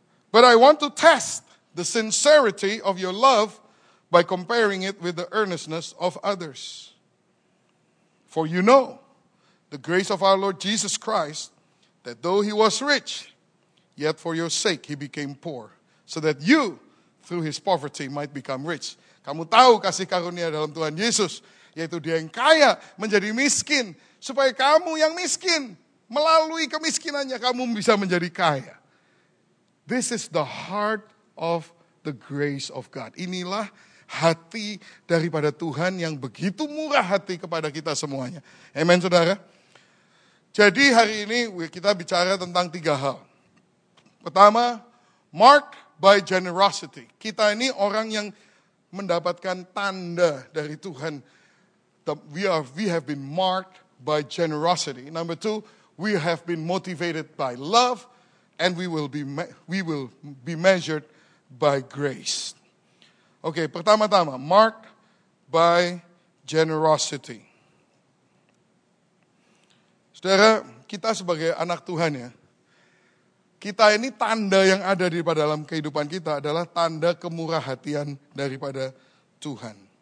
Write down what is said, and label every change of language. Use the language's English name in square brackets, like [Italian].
[English] But I want to test the sincerity of your love by comparing it with the earnestness of others. For you know the grace of our Lord Jesus Christ, that though he was rich, yet for your sake he became poor, so that you, through his poverty, might become rich. [Indonesian] Kamu tahu kasih karunia dalam Tuhan Yesus, yaitu dia yang kaya menjadi miskin, supaya kamu yang miskin, melalui kemiskinannya kamu bisa menjadi kaya. [English] This is the heart of the grace of God. [Indonesian] Inilah hati daripada Tuhan yang begitu murah hati kepada kita semuanya. Amen, saudara. Jadi hari ini kita bicara tentang tiga hal. [English] Pertama, marked by generosity. [Indonesian] Kita ini orang yang mendapatkan tanda dari Tuhan. [English] We have been marked by generosity. Number two, we have been motivated by love, and we will be measured by grace. Okay, pertama-tama, marked by generosity. [Indonesian] Saudara, kita sebagai anak Tuhan ya, kita ini tanda yang ada di dalam kehidupan kita adalah tanda kemurah hatian daripada Tuhan.